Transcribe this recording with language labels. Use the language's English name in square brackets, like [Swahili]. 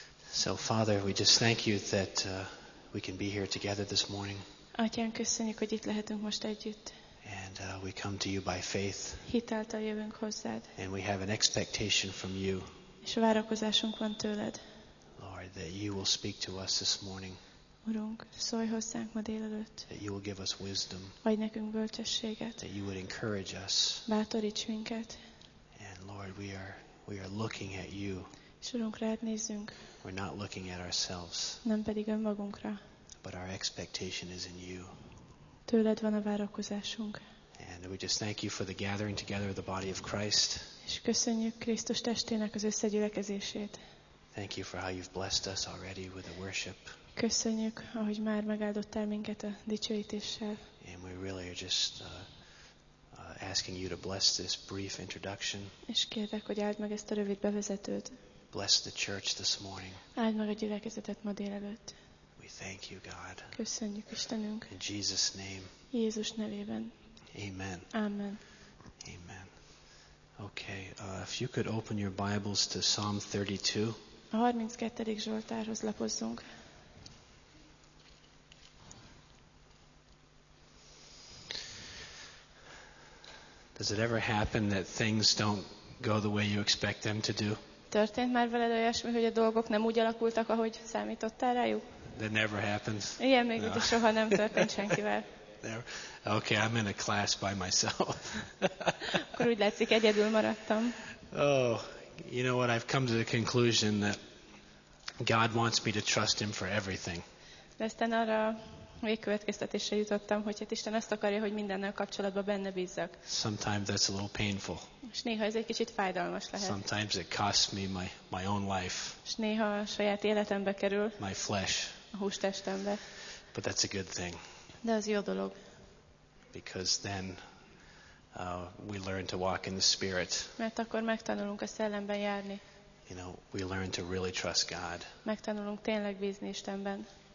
[English] So Father, we just thank you that we can be here together this morning. [Hungarian] Atyán, köszönjük, hogy itt lehetünk most együtt. [English] And we come to you by faith. [Hungarian] Hitáltal jövünk hozzád. [English] And we have an expectation from you. [Hungarian] És várakozásunk van tőled. [English] Lord, that you will speak to us this morning. [Hungarian] Urunk, szólj hozzánk ma délelőtt. [English] That you will give us wisdom. [Hungarian] Adj nekünk bölcsességet. [English] That you would encourage us. [Hungarian] Bátoríts minket. [English] And Lord, we are looking at you. [Hungarian] És Urunk, rád nézünk. [English] We're not looking at ourselves. [Hungarian] Nem pedig önmagunkra. [English] But our expectation is in you. [Hungarian] Tőled van a várakozásunk. [English] And we just thank you for the gathering together of the body of Christ. [Hungarian] És köszönjük Krisztus testének az összegyülekezését. [English] Thank you for how you've blessed us already with the worship. [Hungarian] Köszönjük, ahogy már megáldottál minket a dicsőítéssel. [English] And we really are just asking you to bless this brief introduction. [Hungarian] És kérlek, hogy áld meg ezt a rövid bevezetőt. [English] Bless the church this morning. [Hungarian] Áld meg a gyülekezetet ma délelőtt. [English] We thank you, God. [Hungarian] Köszönjük, Istenünk. [English] In Jesus' name. [Hungarian] Jézus nevében. [English] Amen. [Hungarian] Amen. Amen. [English] Okay, if you could open your Bibles to Psalm 32. [Hungarian] A 32. Zsoltárhoz lapozzunk. [English] Does it ever happen that things don't go the way you expect them to do? [Hungarian] Történt már veled olyasmi, hogy a dolgok nem úgy alakultak, ahogy számítottál rájuk? [English] That never happens. [Hungarian] Igen, még úgy, soha nem történt senkivel. [English] Okay, I'm in a class by myself. [Hungarian] Akkor úgy látszik, egyedül maradtam. [English] Oh, you know what, I've come to the conclusion that God wants me to trust him for everything. [Hungarian] De aztán arra végkövetkeztetésre jutottam, hogy hát Isten azt akarja, hogy mindennel kapcsolatban benne bízzak. [English] Sometimes that's a little painful. [Hungarian] És néha ez egy kicsit fájdalmas lehet. [English] Sometimes it costs me my own life. [Hungarian] És néha a saját életembe kerül. [English] My flesh. [Hungarian] A hústestembe. [English] But that's a good thing. [Hungarian] De az jó dolog. [English] Because then we learn to walk in the spirit. [Hungarian] Mert akkor megtanulunk a szellemben járni. [English] You know, we learn to really trust God. [Hungarian] Megtanulunk tényleg bízni Istenben.